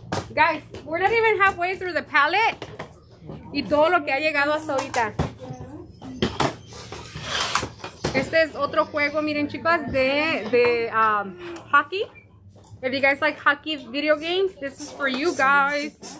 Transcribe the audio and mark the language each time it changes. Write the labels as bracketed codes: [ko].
[en] Guys, we're not even halfway through the pallet. [es] Y todo lo que ha llegado hasta ahorita. Este es otro juego, miren, chicas, de hockey. [en] If you guys like hockey video games, this is for you guys.